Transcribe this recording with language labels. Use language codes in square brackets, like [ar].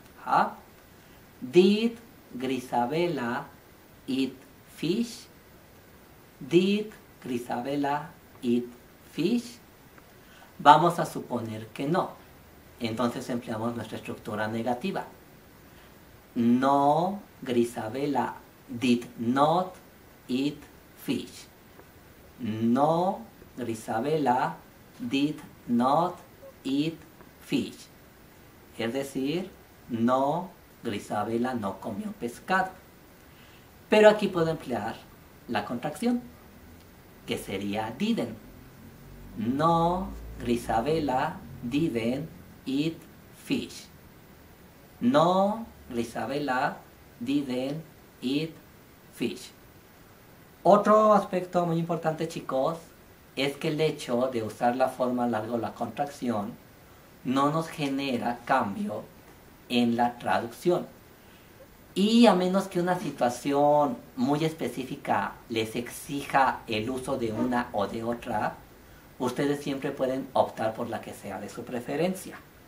[en] ¿Ah? Did Grisabela eat fish? Did Grisabela eat fish? [es] Vamos a suponer que no. Entonces empleamos nuestra estructura negativa. [en] No, Grisabela did not eat fish. No, Grisabela did not eat fish. [es] Es decir, no, Grisabela no comió pescado. Pero aquí puedo emplear la contracción, que sería didn't. [en] No, Grisabela didn't eat fish. No, Grisabela didn't eat fish. [es] Otro aspecto muy importante, chicos, es que el hecho de usar la forma larga o la contracción no nos genera cambio en la traducción. Y a menos que una situación muy específica les exija el uso de una o de otra, ustedes siempre pueden optar por la que sea de su preferencia.